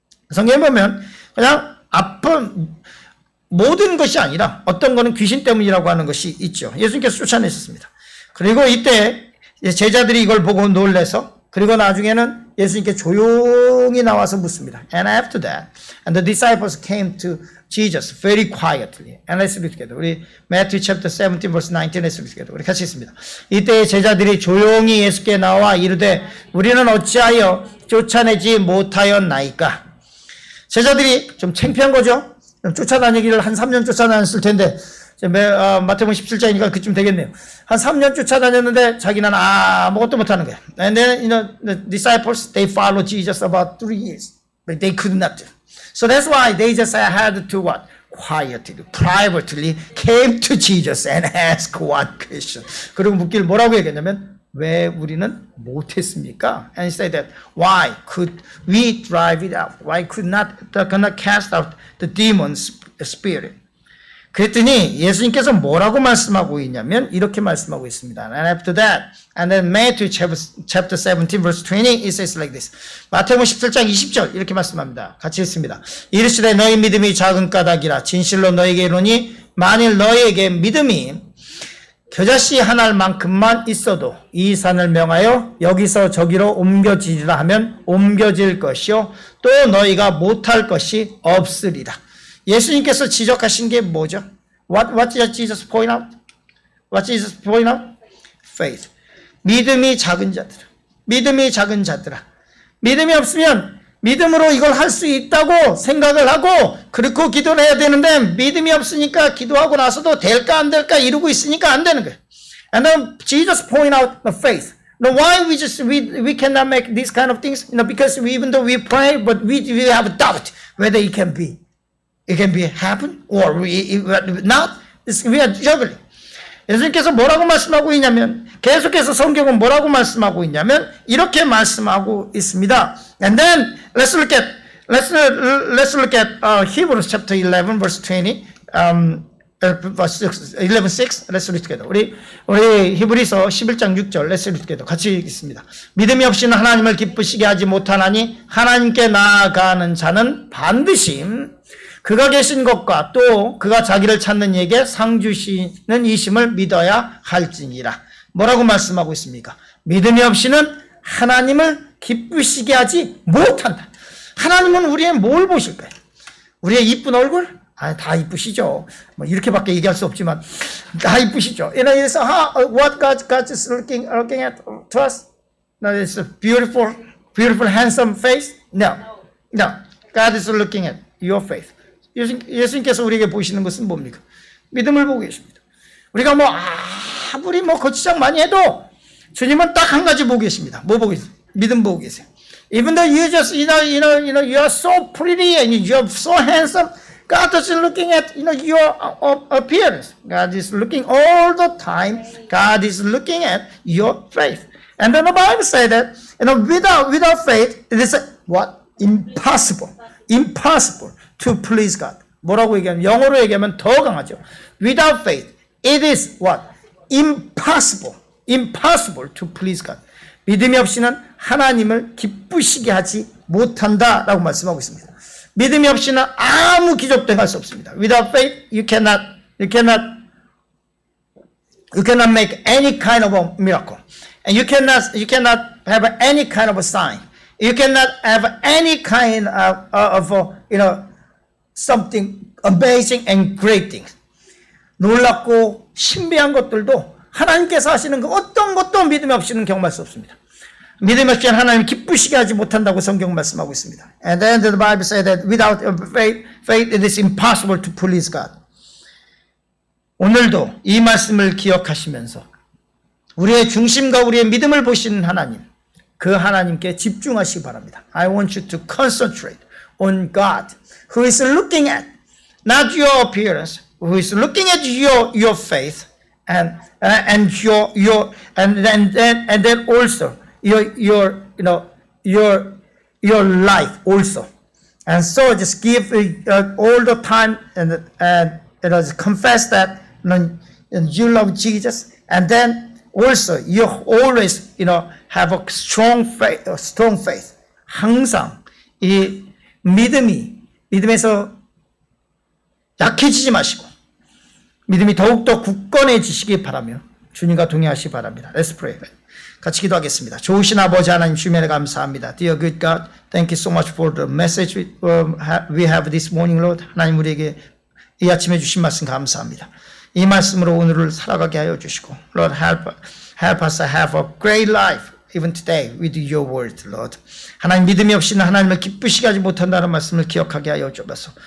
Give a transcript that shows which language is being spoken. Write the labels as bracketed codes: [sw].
[ko] 성경에 보면 그냥 아픈 모든 것이 아니라 어떤 거는 귀신 때문이라고 하는 것이 있죠. 예수님께서 쫓아내셨습니다. 그리고 이때 제자들이 이걸 보고 놀래서 그리고 나중에는 예수님께 조용히 나와서 묻습니다. [en] And after that, and the disciples came to Jesus very quietly. And let's read together. [ko] 우리 [en] Matthew chapter 17 verse 19 let's read together. [ko] 우리 같이 있습니다. 이때 제자들이 조용히 예수께 나와 이르되 우리는 어찌하여 쫓아내지 못하였나이까. 제자들이 좀 창피한 거죠. 쫓아다니기를 한 3년 쫓아다녔을 텐데 마태복음 17장이니까 그쯤 되겠네요. 한 3년 쫓아다녔는데 자기는 아무것도 못하는 거야. [en] And then, you know, the disciples, they followed Jesus about 3 years. But they could not do. So that's why they just had to what? Quietly, privately came to Jesus and asked one question. [ko] 그리고 묻기를 뭐라고 얘기했냐면, 왜 우리는 못했습니까? [en] And say that why could we drive it out? Why could not gonna cast out the demon's spirit? [ko] 그랬더니 예수님께서 뭐라고 말씀하고 있냐면 이렇게 말씀하고 있습니다. [en] And after that, and then Matthew chapter 17 verse 20, it says like this. [ko] 마태복음 17장 20절 이렇게 말씀합니다. 같이 읽습니다. 이르시되 너희 믿음이 작은 까닭이라 진실로 너희에게 이르노니 만일 너희에게 믿음이 겨자씨 한 알만큼만 있어도 이 산을 명하여 여기서 저기로 옮겨지리라 하면 옮겨질 것이요 또 너희가 못할 것이 없으리라. 예수님께서 지적하신 게 뭐죠? [en] What did Jesus point out? What did Jesus point out? Faith. [ko] 믿음이 작은 자들아. 믿음이 작은 자들아. 믿음이 없으면 믿음으로 이걸 할 수 있다고 생각을 하고 그렇고 기도를 해야 되는데 믿음이 없으니까 기도하고 나서도 될까 안 될까 이러고 있으니까 안 되는 거예요. [en] And then Jesus point out the faith. Now why we cannot make these kind of things? You know, because we, even though we pray, but we have a doubt whether it can be. It can be happen or we not. We are juggling. [ko] 예수님께서 뭐라고 말씀하고 있냐면 계속해서 성경은 뭐라고 말씀하고 있냐면 이렇게 말씀하고 있습니다. [en] And then let's look at Hebrews chapter 11 verse 20. Verse 11, 6. Let's read together. [ko] 우리 히브리서 11장 6절. [en] Let's read together. [ko] 같이 읽겠습니다. 믿음이 없이는 하나님을 기쁘시게 하지 못하나니 하나님께 나아가는 자는 반드시 그가 계신 것과 또 그가 자기를 찾는 이에게 상 주시는 이심을 믿어야 할지니라. 뭐라고 말씀하고 있습니까? 믿음이 없이는 하나님을 기쁘시게 하지 못한다. 하나님은 우리의 뭘 보실까요? 우리의 이쁜 얼굴? 아, 다 이쁘시죠. 뭐 이렇게밖에 얘기할 수 없지만 다 이쁘시죠. [en] You know, it's what God is looking at to us? No, it's a beautiful, handsome face? No. God is looking at your faith. [ko] 예수님께서 우리에게 보시는 것은 뭡니까? 믿음을 보고 계십니다. 우리가 뭐 아무리 뭐 거치장 많이 해도 주님은 딱 한 가지 보고 계십니다. 뭐 보고 계세요? 믿음 보고 계세요. [en] Even though you just you know you are so pretty and you are so handsome, God is looking at your appearance. God is looking all the time. God is looking at your faith. And then the Bible say that without faith, it is what? Impossible. To please God. [ko] 뭐라고 얘기하면 영어로 얘기하면 더 강하죠. [en] Without faith, it is what? Impossible to please God. [ko] 믿음이 없이는 하나님을 기쁘시게 하지 못한다라고 말씀하고 있습니다. 믿음이 없이는 아무 기적도 행할 수 없습니다. [en] Without faith, you cannot make any kind of a miracle. And you cannot have any kind of a sign. You cannot have any kind of something amazing and great things. [ko] 놀랍고 신비한 것들도 하나님께서 하시는 그 어떤 것도 믿음 없이는 경험할 수 없습니다. 믿음 없이는 하나님 기쁘시게 하지 못한다고 성경 말씀하고 있습니다. [en] And then the Bible said that without faith it is impossible to please God. [ko] 오늘도 이 말씀을 기억하시면서 우리의 중심과 우리의 믿음을 보시는 하나님, 그 하나님께 집중하시기 바랍니다. [en] I want you to concentrate on God. Who is looking at not your appearance? Who is looking at your faith and then also your life also, and so just give all the time and confess that you love Jesus, and then also you always have a strong faith. [ko] 항상 이 믿음이 믿음에서 약해지지 마시고 믿음이 더욱더 굳건해지시기 바라며 주님과 동행하시기 바랍니다. [en] Let's pray. [ko] 같이 기도하겠습니다. 좋으신 아버지 하나님 주님에 감사합니다. [en] Dear good God, thank you so much for the message we have this morning, Lord. [ko] 하나님 우리에게 이 아침에 주신 말씀 감사합니다. 이 말씀으로 오늘을 살아가게 하여 주시고 [en] Lord, help us have a great life. Even today, with your word, Lord. [ko] 하나님 믿음이 없이는 하나님을 기쁘시게 하지 못한다는 말씀을 기억하게 하여 주옵소서.